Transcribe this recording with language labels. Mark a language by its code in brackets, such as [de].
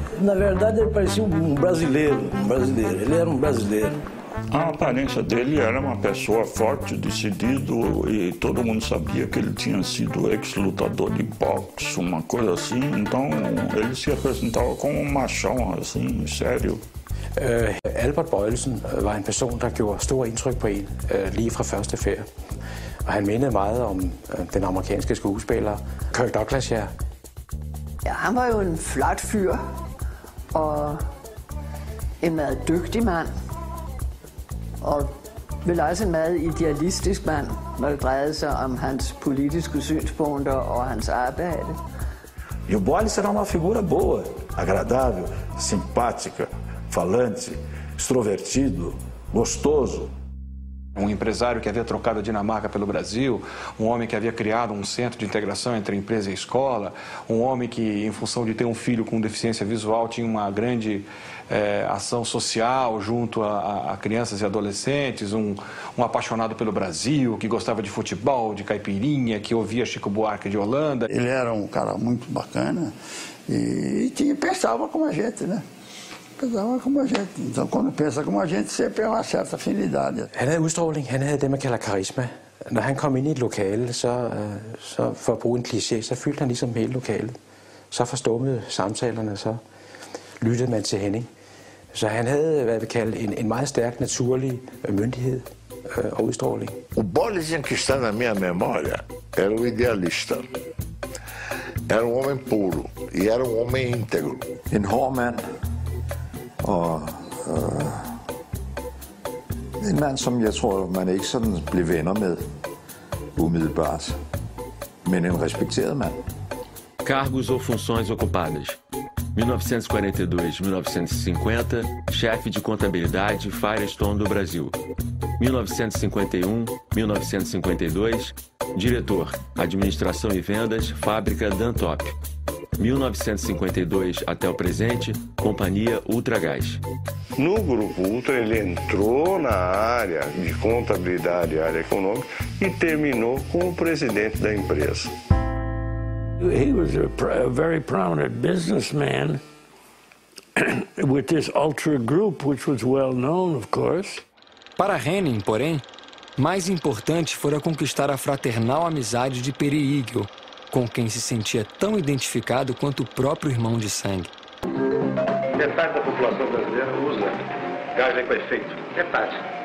[pt] Na verdade, ele parecia um brasileiro. Ele era um brasileiro. A aparência dele era uma pessoa forte, decidido, e todo mundo sabia que ele tinha sido ex-lutador de boxe, uma coisa assim. Então, ele se apresentava como um machão, assim, sério. [da] Albert Bøjelsen var en person, der gjorde stor indtryk på en lige fra første færd. Og han mindede meget om den amerikanske skuespiller Kirk Douglas, ja. Ja, han var jo en flot fyr og en meget dygtig mand og vel også en meget idealistisk mand, når det drejede sig om hans politiske synspunkter og hans arbejde. [pt] E o Bolles era uma figura boa, agradável, simpática, falante, extrovertido, gostoso. Um empresário que havia trocado a Dinamarca pelo Brasil, um homem que havia criado um centro de integração entre empresa e escola, um homem que, em função de ter um filho com deficiência visual, tinha uma grande ação social junto a crianças e adolescentes, um apaixonado pelo Brasil, que gostava de futebol, de caipirinha, que ouvia Chico Buarque de Holanda. Ele era um cara muito bacana e pensava como a gente, né? Então, quando pensa como a gente, sempre é uma certa afinidade. [da] Han havde udstråling, han havde det, man kalder karisma. Når han kom ind i et lokale, så for at bruge en kliché, så fyldte han ligesom hele lokalet. Så forstummede samtalerne, så lyttede man til Henning. Så han havde, hvad vi kalder, en meget stærk, naturlig myndighed og udstråling. [pt] O Bolesen, que está na minha memória, era o idealista. Era um homem puro e era um homem íntegro. [da] En hård mand. Og en mand, som jeg tror, man ikke sådan blev venner med umiddelbart, men en respekteret mand. [pt] Cargos ou funções ocupadas. 1942-1950, chefe de contabilidade Firestone do Brasil. 1951-1952, diretor, administração e vendas, fábrica Dantop. 1952 até o presente, companhia Ultragás. No grupo Ultra, ele entrou na área de contabilidade, área econômica, e terminou como presidente da empresa. [en] He was a very prominent businessman with this Ultra Group, which was well known, of course. [pt] Para Henning, porém, mais importante fora conquistar a fraternal amizade de Peri Igel, com quem se sentia tão identificado quanto o próprio irmão de sangue. Metade da população brasileira usa gás liquefeito. Metade.